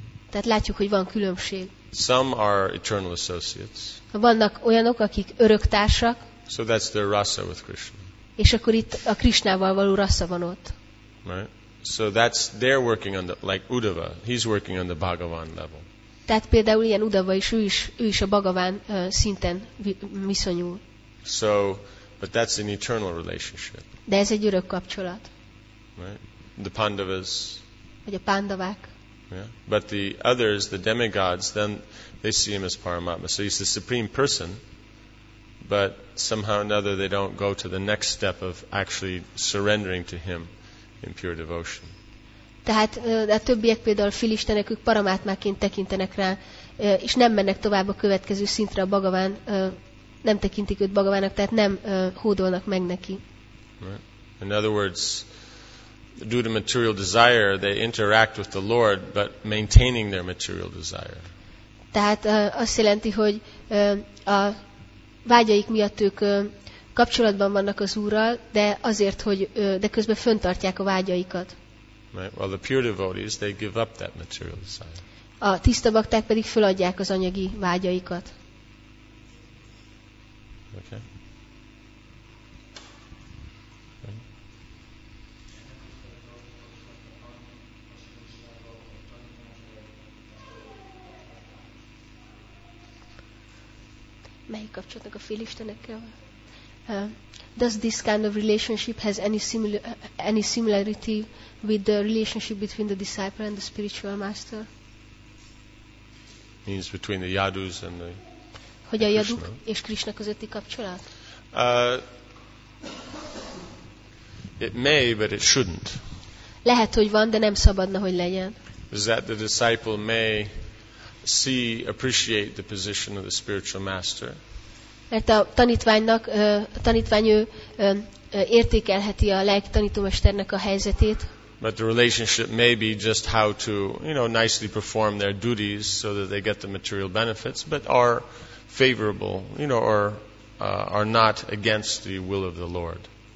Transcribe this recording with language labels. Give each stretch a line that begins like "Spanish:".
Hungarian: Tehát látjuk, hogy van különbség.
English: Some are eternal associates.
Hungarian: Vannak olyanok, akik öröktársak.
English: So that's their rasa with Krishna.
Hungarian: És akkor itt a Krishnával való rasa van ott.
English: Right? So that's they're working on the like Uddhava, he's working on the Bhagavan level.
Hungarian: Tehát például ilyen Uddhava is ő is a Bhagavan szinten viszonyul.
English: So, but that's an eternal relationship.
Hungarian: De ez egy örök kapcsolat.
English: Right? The Pandavas.
Hungarian: Vagy a Pandavák.
English: Yeah. But the others, the demigods, then they see him as Paramatma. So he's the supreme person. But somehow or another they don't go to the next step of actually surrendering to him. In pure devotion.
Hungarian: Tehát a többiek például filistenek, ők paramátmáként tekintenek rá, és nem mennek tovább a következő szintre a Bhagaván, nem tekintik őt Bhagavának, tehát nem hódolnak meg neki.
English: Right. In other words, due to material desire, they interact with the Lord, but maintaining their material desire.
Hungarian: Tehát azt jelenti, hogy a vágyaik miatt ők kapcsolatban vannak az Úrral, de azért, hogy de közben föntartják a vágyaikat.
English: Right. Well, the pure devotees, they give up that material desire.
Hungarian: A tiszta bakták pedig föladják az anyagi vágyaikat.
English: Okay.
Hungarian: Melyik kapcsolatnak a félistenekkel?
English: Does this kind of relationship has any similarity with the relationship between the disciple and the spiritual master? Means between the Yadus and the.
Hungarian: Hogy a Yaduk és Krishna közötti kapcsolat?
English: It may, but it shouldn't.
Hungarian: Lehet, hogy van, de nem szabadna, hogy legyen.
English: Is that the disciple may see, appreciate the position of the spiritual master?
Hungarian: Mert a tanítványnak, a tanítvány ő értékelheti a lelki tanítómesternek a helyzetét.
English: But the relationship may be just how to, you know, nicely perform their duties so that they get the material benefits, but are favorable, you know, or are not against the will of the Lord.